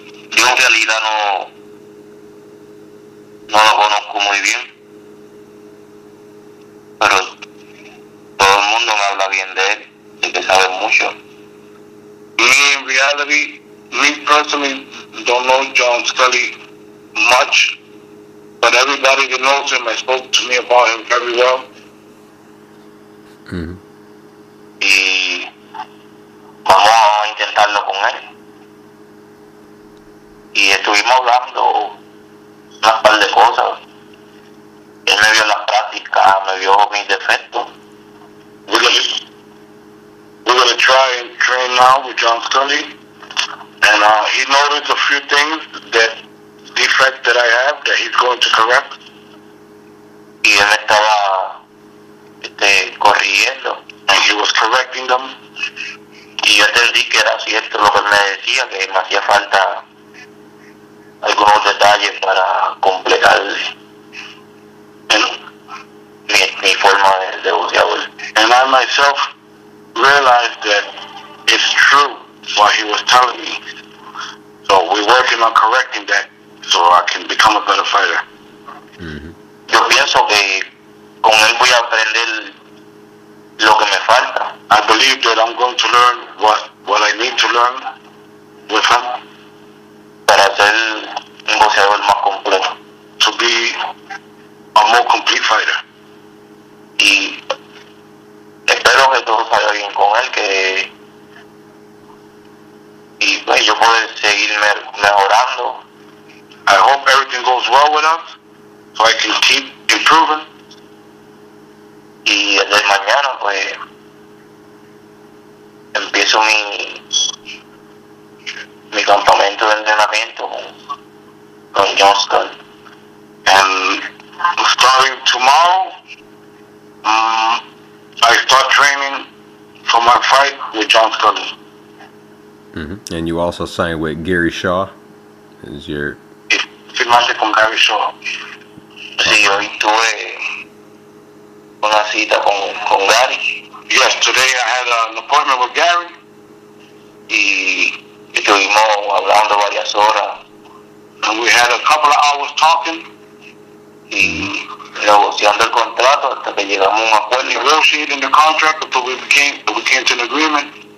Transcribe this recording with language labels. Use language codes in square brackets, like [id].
[es] yo en realidad no lo conozco muy bien, pero todo el mundo me habla bien de él, y que sabe mucho. [en] In reality, me personally don't know John Scully much, but everybody that knows him has spoke to me about him very well. Mm-hmm. [es] Y vamos a intentarlo con él. Y estuvimos hablando un par de cosas. Él me vio la práctica, me vio mis defectos. [en] We're gonna try and train now with John Scully. And he noticed a few things, that defect that I have, that he's going to correct. [es] Y él estaba corrigiendo. [en] And he was correcting them. [es] Y yo entendí que era cierto lo que me decía, que me hacía falta algunos detalles para completar mi forma de boxeador. [en] And I myself realized that it's true what he was telling me. So we're working on correcting that so I can become a better fighter. Mm-hmm. [es] Yo pienso que con él voy a aprender lo que me falta. [en] I believe that I'm going to learn what I need to learn with him. [es] Para ser un boxeador más completo. [en] To be a more complete fighter. [es] Y espero que todo salga bien con él, que y pues yo pueda seguir mejorando. [en] I hope everything goes well with us, so I can keep improving. [es] Y el de mañana, pues, empiezo mi campamento de entrenamiento con John Scott. [en] And starting tomorrow, I start training for my fight with John Scott. Mm-hmm. And you also signed with Gary Shaw. Is your... [es] Firmaste con Gary Shaw. Sí, yo estuve... una cita con Gary. [en] Yes, today I had an appointment with Gary. [es] Y estuvimos hablando varias horas. [en] And we had a couple of hours talking. [es] Y negociando el contrato hasta que llegamos a un acuerdo. [en] Negotiating the contract until we came to an agreement.